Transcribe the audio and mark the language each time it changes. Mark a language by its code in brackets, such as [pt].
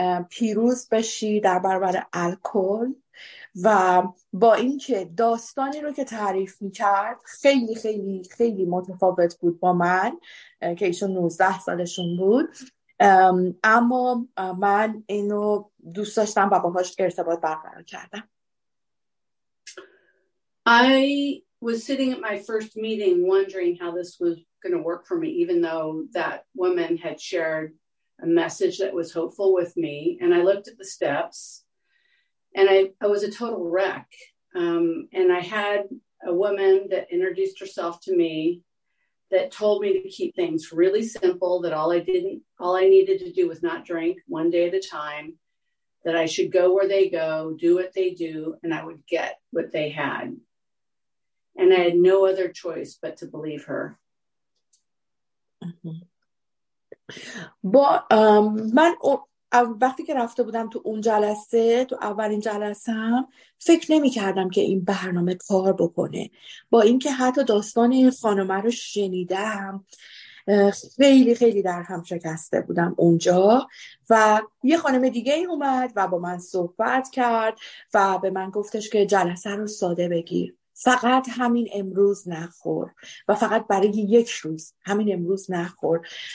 [fa] پیروز بشی در برابر الکل؟ و با اینکه داستانی رو که تعریف میکرد خیلی خیلی خیلی متفاوت بود با من که ایشون 19 سالشون بود، اما من اینو دوست داشتم و باهاش ارتباط برقرار کردم. [en] I was sitting at my first meeting wondering how this was going to work for me even though that woman had shared a message that was hopeful with me, and I looked at the steps and I was a total wreck. And I had a woman that introduced herself to me that told me to keep things really simple, that all I needed to do was not drink one day at a time, that I should go where they go, do what they do, and I would get what they had. And I had no other choice but to believe her. Mm-hmm. [fa] با من وقتی که رفته بودم تو اون جلسه، تو اولین جلسه هم فکر نمی کردم که این برنامه کار بکنه. با اینکه حتی داستان این خانمه رو شنیدم خیلی خیلی در هم شکسته بودم اونجا و یه خانم دیگه اومد و با من صحبت کرد و به من گفتش که جلسه رو ساده بگیر، فقط همین امروز نخور و فقط برای یک روز همین امروز نخور.